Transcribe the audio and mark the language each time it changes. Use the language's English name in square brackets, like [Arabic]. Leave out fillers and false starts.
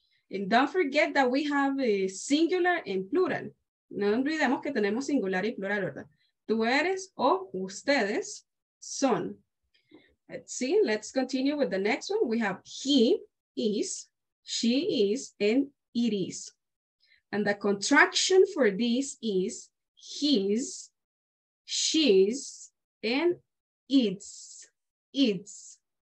[English] And don't forget that we have a singular and plural. [Spanish] No olvidemos que tenemos singular y plural, ¿verdad? Tú eres o ustedes son. [English] Let's see, let's continue with the next one. We have he is. She is and it is. And the contraction for this is his, she's, and it's. It's.